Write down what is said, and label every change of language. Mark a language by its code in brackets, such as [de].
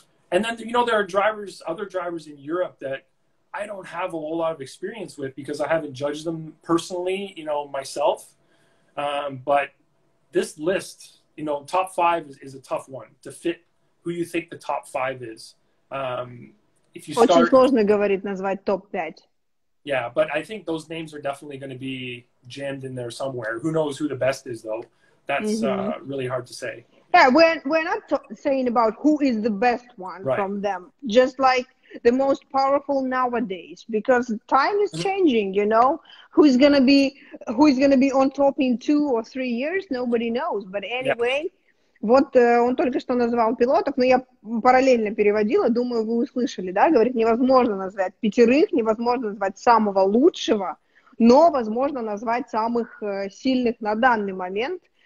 [en] And then, you know, there are drivers, other drivers in Europe that I don't have a whole lot of experience with because I haven't judged them personally, you know, myself. But this list, you know, top 5 is a tough one to fit who you think the top 5 is. If you start... [ru] Очень сложно говорить, назвать топ 5. [en] Yeah, but I think those names are definitely going to be jammed in there somewhere. Who knows who the best is, though? That's really hard to say. Yeah, we're not saying about who is the best one from them. Just like the most powerful nowadays, because time is changing, you know. Who's gonna be on top in 2 or 3 years, nobody knows. But anyway, [ru] вот он только что назвал пилотов, но я параллельно переводила, думаю, вы услышали, да, говорит, невозможно назвать пятерых, невозможно назвать самого лучшего, но возможно назвать самых сильных на данный момент.